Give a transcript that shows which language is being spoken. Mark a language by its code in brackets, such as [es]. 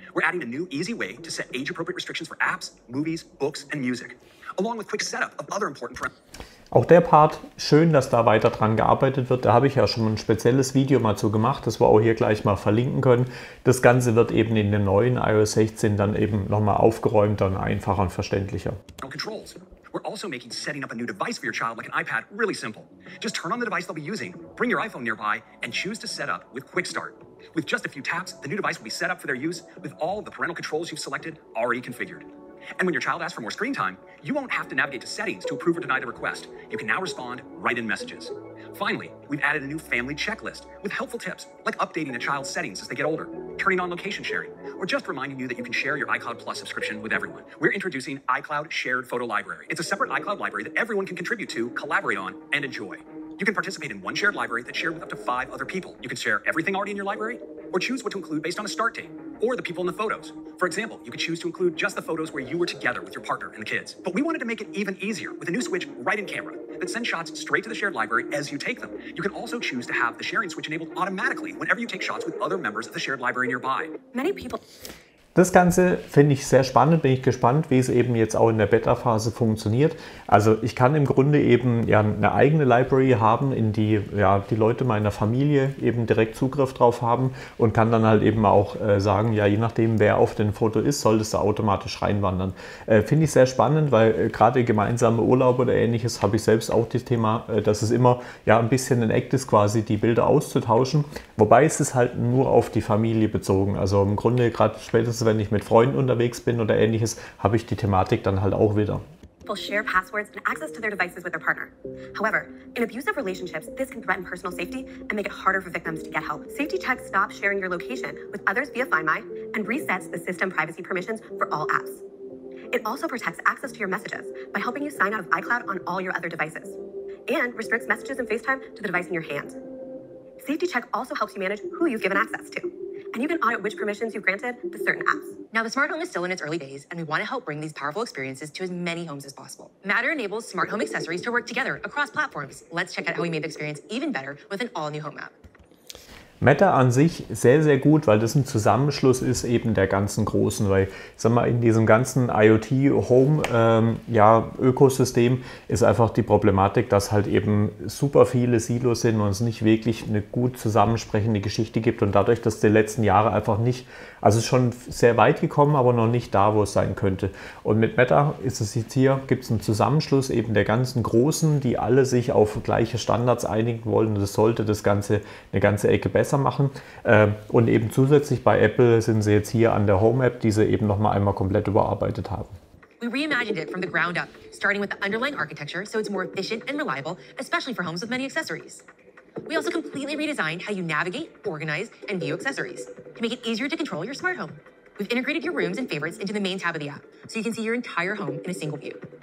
[en] We're adding a new easy way to set age-appropriate restrictions for apps, movies, books, and music, along with quick setup of other important friends. [de] Auch der Part, schön, dass da weiter dran gearbeitet wird. Da habe ich ja schon ein spezielles Video mal zu gemacht, das wir auch hier gleich mal verlinken können. Das Ganze wird eben in dem neuen iOS 16 dann eben nochmal aufgeräumter und einfacher und verständlicher. [en] Controls. We're also making setting up a new device for your child like an iPad really simple. Just turn on the device they'll be using, bring your iPhone nearby and choose to set up with Quick Start. With just a few taps, the new device will be set up for their use with all the parental controls you've selected already configured. And when your child asks for more screen time, you won't have to navigate to settings to approve or deny the request. You can now respond right in messages. Finally, we've added a new family checklist with helpful tips like updating the child's settings as they get older, turning on location sharing, or just reminding you that you can share your iCloud Plus subscription with everyone. We're introducing iCloud Shared Photo Library. It's a separate iCloud library that everyone can contribute to, collaborate on, and enjoy. You can participate in one shared library that's shared with up to 5 other people. You can share everything already in your library, or choose what to include based on a start date, or the people in the photos. For example, you could choose to include just the photos where you were together with your partner and the kids. But we wanted to make it even easier with a new switch right in camera that sends shots straight to the shared library as you take them. You can also choose to have the sharing switch enabled automatically whenever you take shots with other members of the shared library nearby. Many people... [de] Das Ganze finde ich sehr spannend, bin ich gespannt, wie es eben jetzt auch in der Beta-Phase funktioniert. Also ich kann im Grunde eben ja eine eigene Library haben, in die ja die Leute meiner Familie eben direkt Zugriff drauf haben und kann dann halt eben auch sagen, ja je nachdem wer auf dem Foto ist, soll das da automatisch reinwandern. Finde ich sehr spannend, weil gerade gemeinsame Urlaube oder ähnliches habe ich selbst auch das Thema, dass es immer ja ein bisschen ein Act ist, quasi die Bilder auszutauschen. Wobei ist es halt nur auf die Familie bezogen. Also im Grunde gerade spätestens wenn ich mit Freunden unterwegs bin oder ähnliches, habe ich die Thematik dann halt auch wieder. [en] People share passwords and access to their devices with their partner. However, in abusive relationships, this can threaten personal safety and make it harder for victims to get help. Safety text stops sharing your location with others via Find My and resets the system privacy permissions for all apps. It also protects access to your messages by helping you sign out of iCloud on all your other devices and restricts messages and FaceTime to the device in your hand. Safety check also helps you manage who you've given access to. And you can audit which permissions you've granted to certain apps. Now, the smart home is still in its early days, and we want to help bring these powerful experiences to as many homes as possible. Matter enables smart home accessories to work together across platforms. Let's check out how we made the experience even better with an all-new home app. [de] Matter an sich sehr, sehr gut, weil das ein Zusammenschluss ist eben der ganzen Großen, weil ich sag mal, in diesem ganzen IoT-Home-Ökosystem ist einfach die Problematik, dass halt eben super viele Silos sind und es nicht wirklich eine gut zusammensprechende Geschichte gibt und dadurch, dass die letzten Jahre einfach nicht, also ist schon sehr weit gekommen, aber noch nicht da, wo es sein könnte. Und mit Matter ist es jetzt hier, gibt es einen Zusammenschluss eben der ganzen Großen, die alle sich auf gleiche Standards einigen wollen und das sollte das Ganze eine ganze Ecke besser machen. Und eben zusätzlich bei Apple sind sie jetzt hier an der Home-App, die sie eben nochmal einmal komplett überarbeitet haben. [en] We reimagined it from the ground up, starting with the underlying architecture, so it's more efficient and reliable, especially for homes with many accessories. We also completely redesigned how you navigate, organize and view accessories, to make it easier to control your smart home. We've integrated your rooms and favorites into the main tab of the app, so you can see your entire home in a single view.